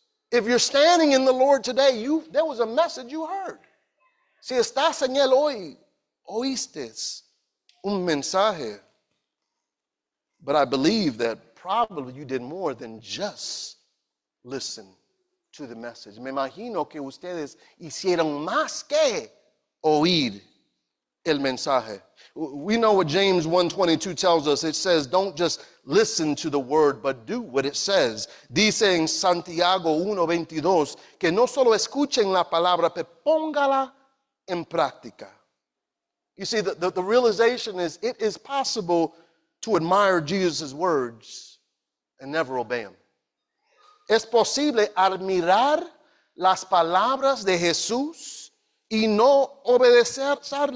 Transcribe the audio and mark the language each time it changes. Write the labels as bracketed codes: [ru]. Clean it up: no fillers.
[en] If you're standing in the Lord today, there was a message you heard. [es] Si estás en él hoy, oíste un mensaje. [en] But I believe that probably you did more than just listen to the message. [es] Me imagino que ustedes hicieron más que oír el mensaje. [en] We know what James 1:22 tells us. It says, don't just listen to the word, but do what it says. [es] Dice en Santiago 1:22 que no solo escuchen la palabra, pero póngala en práctica. [en] You see, the realization is it is possible to admire Jesus' words and never obey them. [es] Es posible admirar las palabras de Jesús y no obedecerlas.